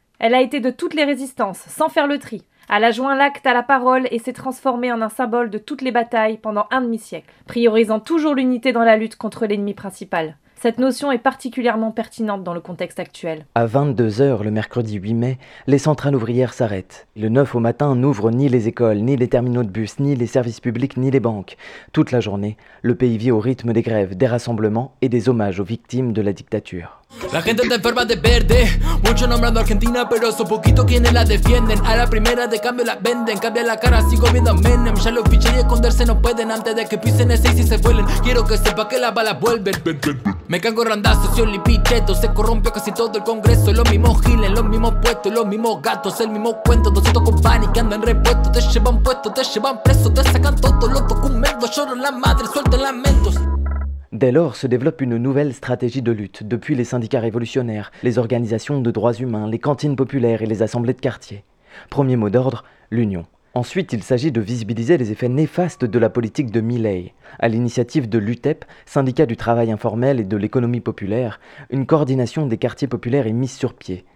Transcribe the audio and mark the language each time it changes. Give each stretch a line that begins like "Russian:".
French: Elle a été de toutes les résistances, sans faire le tri. Elle a joint l'acte à la parole et s'est transformée en un symbole de toutes les batailles pendant un demi-siècle, priorisant toujours l'unité dans la lutte contre l'ennemi principal. » Cette notion est particulièrement pertinente dans le contexte actuel. À 22h le mercredi 8 mai, les centrales ouvrières s'arrêtent. Le 9 au matin n'ouvrent ni les écoles, ni les terminaux de bus, ni les services publics, ni les banques. Toute la journée, le pays vit au rythme des grèves, des rassemblements et des hommages aux victimes de la dictature.
Spanish: La gente está enferma de verde, mucho nombrando Argentina, pero son poquitos quienes la defienden. A la primera de cambio la venden, cambia la cara, sigo viendo a Menem. Ya los fichan y esconderse no pueden antes de que pisen el 6 y se vuelen. Quiero que sepa que las balas vuelven. Me cago en randazos y olipichetos, se corrompió casi todo el congreso. Los mismos giles, los mismos puestos, los mismos gatos, el mismo cuento. 200 compañeros que andan repuestos, te llevan puesto, te llevan preso, te sacan todos los documentos, lloran la madre, suelten lamentos.
French: Dès lors se développe une nouvelle stratégie de lutte, depuis les syndicats révolutionnaires, les organisations de droits humains, les cantines populaires et les assemblées de quartier. Premier mot d'ordre, l'union. Ensuite, il s'agit de visibiliser les effets néfastes de la politique de Milei. À l'initiative de l'UTEP, syndicat du travail informel et de l'économie populaire, une coordination des quartiers populaires est mise sur pied.